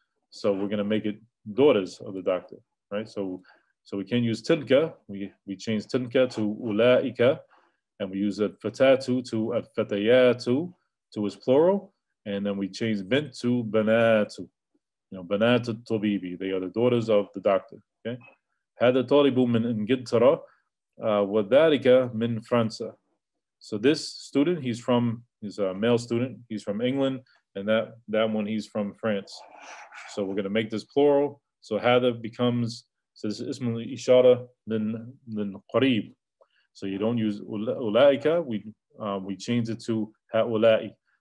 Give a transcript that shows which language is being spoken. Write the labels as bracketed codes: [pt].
[en] So we're going to make it daughters of the doctor, right? So we can use تلك. We change تلك to أولائك, and we use الفتاة to الفتيات to its plural, and then we change بنت to بنات. You know, [ar] بنات الطبيب. [en] They are the daughters of the doctor. Okay. [ar] هذا طالب من إنجلترا وذلك من فرنسا. [en] So this student, he's from, he's a male student, he's from England, and that one, he's from France. So we're going to make this plural. So hadha becomes, so this is ismul ishara min qareeb. So you don't use ulaika, we change it to ha'ula'i.